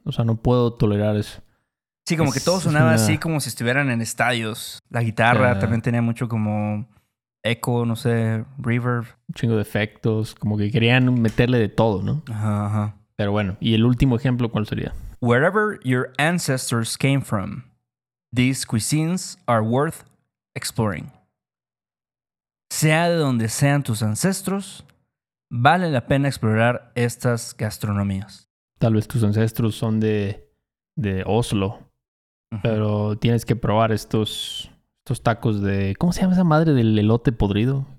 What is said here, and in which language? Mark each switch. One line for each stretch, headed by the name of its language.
Spanish: O sea, no puedo tolerar eso. Sí, como que todo sonaba así como si estuvieran en estadios. La guitarra también tenía mucho como eco, no sé, reverb. Un chingo de efectos. Como que querían meterle de todo, ¿no? Ajá, ajá. Pero bueno, ¿y el último ejemplo cuál sería?
English: Wherever your ancestors came from, these cuisines are worth exploring.
Spanish: Sea de donde sean tus ancestros, vale la pena explorar estas gastronomías. Tal vez tus ancestros son de Oslo. Pero tienes que probar estos tacos de... ¿Cómo se llama esa madre del elote podrido?